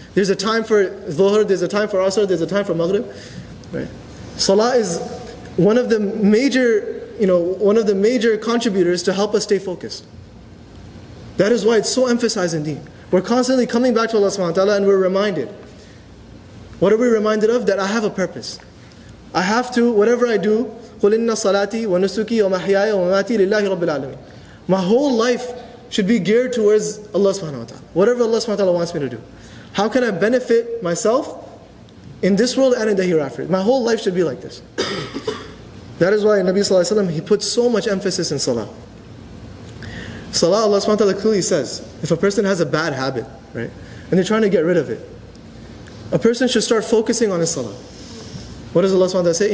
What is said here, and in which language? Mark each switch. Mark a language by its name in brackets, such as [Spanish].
[English] There's a time for Dhuhr, there's a time for Asr, there's a time for Maghrib. Right? Salah is one of the major, you know, one of the major contributors to help us stay focused. That is why it's so emphasized in deen. We're constantly coming back to Allah subhanahu wa ta'ala and we're reminded. What are we reminded of? That I have a purpose. I have to, whatever I do, [Arabic] قُلْ إِنَّ صَلَاتِي وَنُسُكِي وَمَحْيَايَ وَمَمَاتِي لِلَّهِ رَبِّ الْعَالَمِينَ. [English] My whole life should be geared towards Allah subhanahu wa ta'ala. Whatever Allah subhanahu wa ta'ala wants me to do. How can I benefit myself in this world and in the hereafter? My whole life should be like this. That is why Nabi sallallahu alayhi wa sallam, he put so much emphasis in salah. Salah, Allah subhanahu wa ta'ala clearly says, if a person has a bad habit, right, and they're trying to get rid of it, a person should start focusing on his salah. What does Allah subhanahu wa ta'ala say?